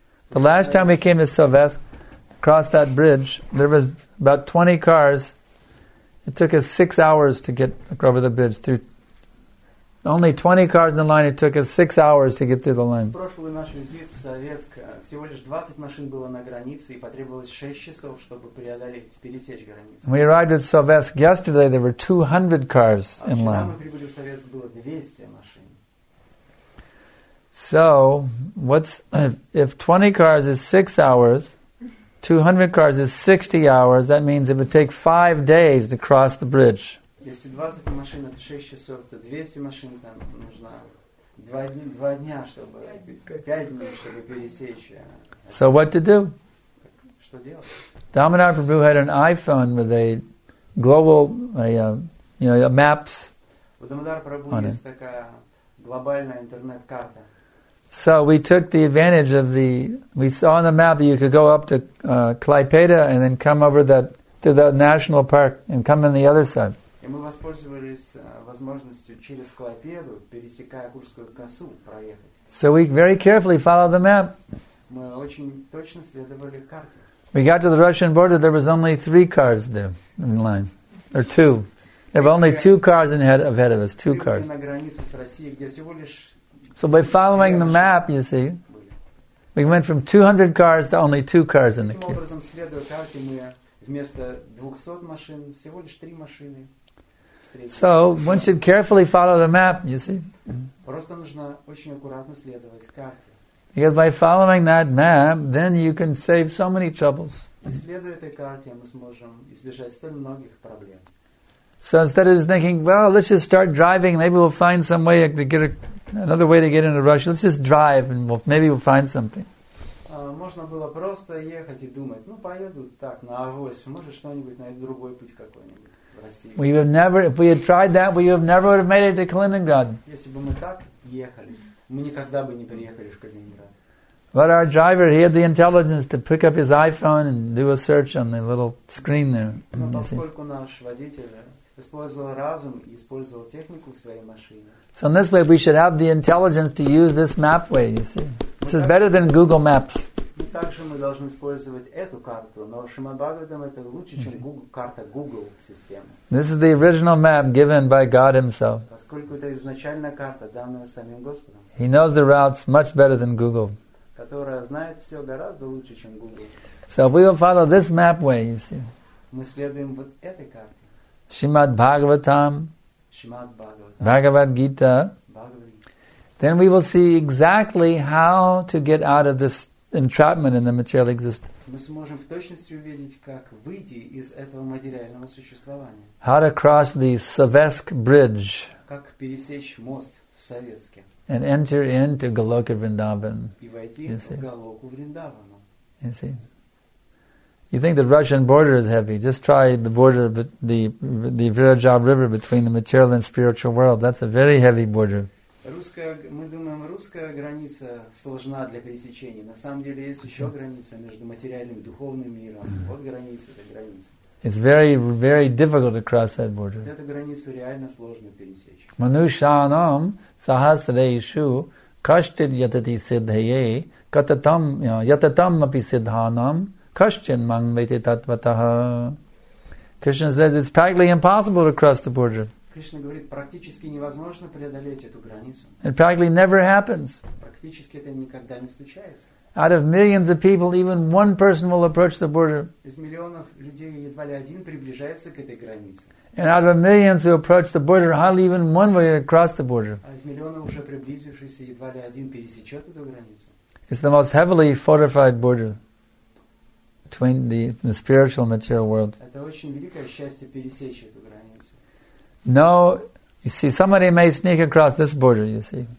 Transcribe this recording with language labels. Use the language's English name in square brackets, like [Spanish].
[English] The last time we came to Silvesk, across that bridge, there was about 20 cars. It took us 6 hours to get over the bridge. Through only 20 cars in the line, it took us 6 hours to get through the line. [Russian] Прошлый наш визит в Советск, всего лишь 20 машин было на границе, и потребовалось 6 часов, чтобы преодолеть, пересечь границу. [English] We arrived at Silvesk yesterday, there were 200 cars in line. [Russian] А вчера мы прибыли в Советск, было 200 машин. [English] So, if 20 cars is 6 hours, 200 cars is 60 hours, that means it would take 5 days to cross the bridge. [Russian] Если 20 машин это 6 часов, то 200 машин там нужно 2 дня, чтобы 5 дней, чтобы пересечь. [English] So what to do? [Russian] Что делать? [English] Dhammadhara Prabhu had an iPhone with a global maps. [Russian] У Dhammadhara Prabhu есть такая глобальная интернет-карта. [English] So we took the advantage of the we saw on the map that you could go up to Klaipeda and then come over that to the national park and come on the other side. [Russian] И мы воспользовались возможностью через Клайпеду, пересекая Курскую косу, проехать. [English] So we very carefully followed the map. [Russian] Мы очень точно следовали карте. [English] We got to the Russian border, there was only 3 cars there in line. Or 2. There were only 2 cars ahead of us, 2 cars. [Russian] На границу с Россией, где всего лишь... [English] So by following the map, you see, we went from 200 cars to only 2 cars in the queue. [Russian] Таким образом, следуя карте, мы вместо 200 машин, всего лишь 3 машины. [English] So one should carefully follow the map, you see. [Russian] Просто нужно очень аккуратно следовать карте. [English] Because by following that map, then you can save so many troubles. [Russian] Следуя этой карте, мы сможем избежать столь многих проблем. [English] So instead of just thinking, well, let's just start driving, maybe we'll find some way to get another way to get into Russia. Let's just drive, and maybe we'll find something. [Russian] Можно было просто ехать и думать, ну поеду так на авось, может что-нибудь найду другой путь какой-нибудь. [English] We have never, if we had tried that, we have never would have made it to Kaliningrad. [Russian] Если бы мы так ехали, мы никогда бы не приехали в Калининград. [English] But our driver, he had the intelligence to pick up his iPhone and do a search on the little screen there. [Russian] Но поскольку наш водитель использовал разум и использовал технику в своей машине. [English] So in this way, we should have the intelligence to use this map way. You see, this is better than Google Maps. [Russian] Также мы должны использовать эту карту, но Шримад-Бхагаватам это лучше, чем карта Google системы. [English] This is the original map given by God himself. [Russian] Поскольку это изначальная карта, данная самим Господом. [English] He knows the routes much better than Google. [Russian] Которая знает все гораздо лучше, чем Google. [English] So we will follow this map way, you see. [Russian] Мы следуем вот этой карте. Шримад-Бхагаватам. Шримад-Бхагаватам. Бхагавад-гита. [English] Then we will see exactly how to get out of this entrapment in the material existence. [Russian] Мы сможем в точности увидеть, как выйти из этого материального существования. [English] How to cross the Savesk bridge. [Russian] Как пересечь мост в Советске. [English] And enter into Goloka Vrindavan. [Russian] И войти в Голоку Вриндавану. [English] You see. You think the Russian border is heavy? Just try the border of the Virajab River between the material and spiritual world. That's a very heavy border. [Russian] Русская, мы думаем, русская граница сложна для пересечения. На самом деле есть еще граница между материальным и духовным миром. Вот граница, это граница. [English] It's very, very difficult to cross that border. [Russian] Эту границу реально сложно пересечь. [Sanskrit] Манушанам сахасрейшу каштир ятати сиддхайе кататам ятатам апи сиддханам кашчин мангвети татватаха. [English] Krishna says it's practically impossible to cross the border. [Russian] Кришна говорит, практически невозможно преодолеть эту границу. [English] It practically never happens. [Russian] Практически это никогда не случается. [English] Out of millions of people, even one person will approach the border. [Russian] Из миллионов людей едва ли один приближается к этой границе. [English] And out of millions who approach the border, hardly even one will cross the border. [Russian] А из миллионов уже приблизившихся едва ли один пересечет эту границу. [English] It's the most heavily fortified border between the spiritual and material world. [Russian] Это очень великое счастье пересечь эту границу. [English] No, you see, somebody may sneak across this border, you see.